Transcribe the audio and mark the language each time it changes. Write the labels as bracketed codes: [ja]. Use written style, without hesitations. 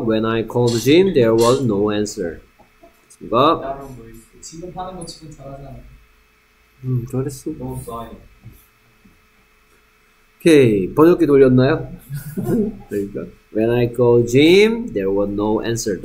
[en] When I called Jim, there was no answer. [ko] 됐습니까? 지금 하는 거 지금 잘하지 않아? 잘했어. [en] No sign. [ko] 오케이, 번역기 돌렸나요? 그러니까 [en] When I called Jim, there was no answer.